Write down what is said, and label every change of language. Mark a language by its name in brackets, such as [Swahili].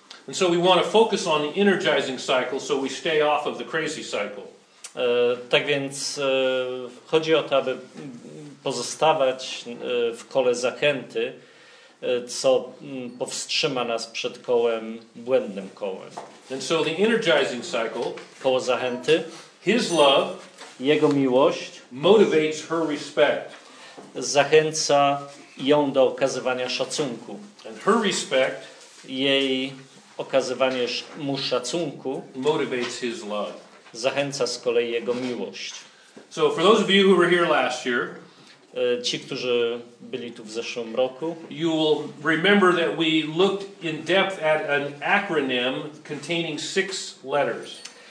[English] And so we want to focus on the energizing cycle so we stay off of the crazy cycle. [Polish] Tak więc chodzi o to, aby pozostawać w kole zachęty, co powstrzyma nas przed kołem, błędnym kołem. [English] And so the energizing cycle, [Polish] koło zachęty, [English] his love, [Polish] jego miłość, [English] motivates her respect. [Polish] Zachęca ją do okazywania szacunku. [English] And her respect, [Polish] jej okazywanie mu szacunku, [English] motivates his love. [Polish] Zachęca z kolei jego miłość. [English] So for those of you who were here last year, [Polish] ci, którzy byli tu w zeszłym roku, [English] you will remember that we looked in depth at an acronym containing six letters.